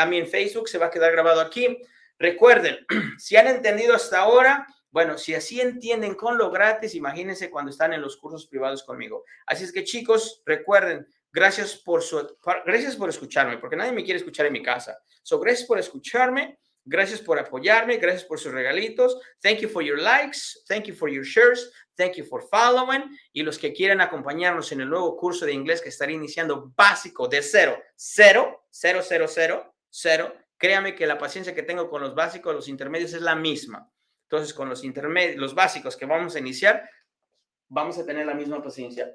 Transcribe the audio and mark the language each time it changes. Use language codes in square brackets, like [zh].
[es] Facebook se va a quedar grabado aquí. Recuerden, si han entendido hasta ahora, bueno, si así entienden con lo gratis, imagínense cuando están en los cursos privados conmigo. Así es que chicos, recuerden, gracias por escucharme, porque nadie me quiere escuchar en mi casa. So, gracias por escucharme, gracias por apoyarme, gracias por sus regalitos. [en] Thank you for your likes, thank you for your shares, thank you for following. [es] Y los que quieran acompañarnos en el nuevo curso de inglés que estaré iniciando básico de cero. Créame que la paciencia que tengo con los básicos, los intermedios, es la misma. Entonces, con los básicos que vamos a iniciar, vamos a tener la misma paciencia.